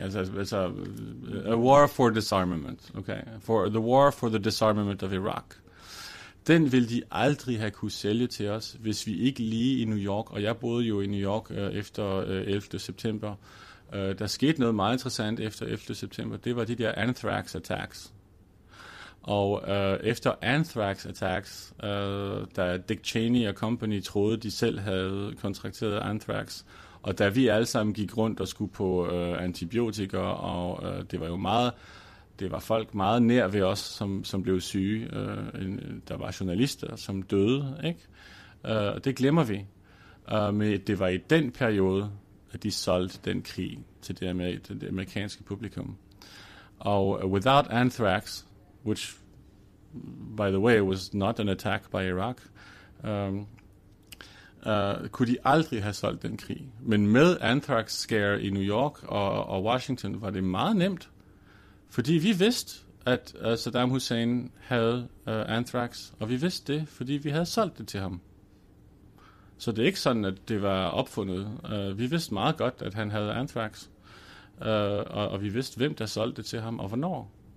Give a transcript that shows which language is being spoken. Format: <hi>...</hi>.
<en>Altså a war for disarmament, okay? For the war for the disarmament of Iraq.</en> <da>Den ville de aldrig have kunne sælge til os, hvis vi ikke lige i New York, og jeg boede jo i New York efter 11. september. Der skete noget meget interessant efter 11. september, det var de der anthrax attacks. Og efter anthrax attacks, da Dick Cheney og company troede, de selv havde kontrakteret anthrax, og da vi alle sammen gik rundt og skulle på antibiotika, og det var jo meget... Det var folk meget nær ved os, som blev syge. Der var journalister, som døde, ikke? Det glemmer vi. Men det var i den periode, at de solgte den krig til det amerikanske publikum. Og</da> <en>without anthrax, which, by the way, was not an attack by Iraq,</en> <da>kunne de aldrig have solgt den krig. Men med anthrax scare i New York og Washington var det meget nemt. Fordi vi vidste, at Saddam Hussein havde anthrax, og vi vidste det, fordi vi havde solgt det til ham. Så det er ikke sådan, at det var opfundet. Vi vidste meget godt, at han havde anthrax, og vi vidste, hvem der solgte det til ham, og hvornår.</da>